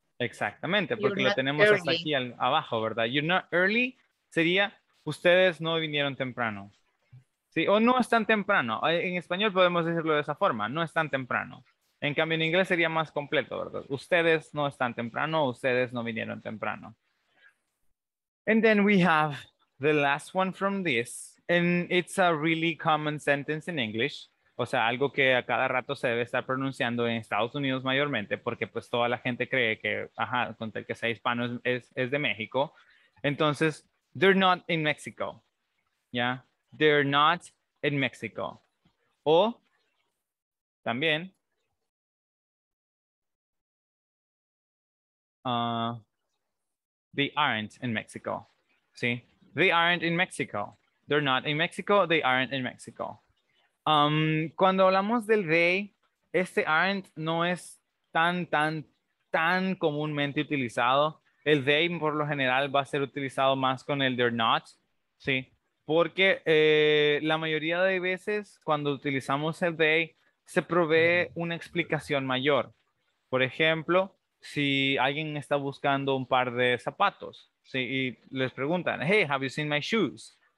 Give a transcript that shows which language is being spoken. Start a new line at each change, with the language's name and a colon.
Spanish: Exactamente, porque lo tenemos early. Hasta aquí abajo, ¿verdad?
English: You're not early
Spanish: sería ustedes no vinieron temprano. Sí, o no están temprano. En español podemos decirlo de esa forma, no están temprano. En cambio, en inglés sería más completo, ¿verdad? Ustedes no están temprano, ustedes no vinieron temprano.
English: And then we have the last one from this, and it's a really common sentence in English.
Spanish: O sea, algo que a cada rato se debe estar pronunciando en Estados Unidos mayormente, porque pues toda la gente cree que, ajá, con tal que sea hispano es de México.
English: Entonces, they're not in Mexico. ¿Ya? They're not in Mexico.
Spanish: O, también.
English: They aren't in Mexico. ¿Sí? They aren't in Mexico. They're not in Mexico. They aren't in Mexico.
Spanish: Cuando hablamos del they, este aren't no es tan comúnmente utilizado. El they por lo general va a ser utilizado más con el they're not, ¿sí? Porque la mayoría de veces cuando utilizamos el they, se provee una explicación mayor. Por ejemplo, si alguien está buscando un par de zapatos, ¿sí? Y les preguntan,
English: hey, have you seen my shoes?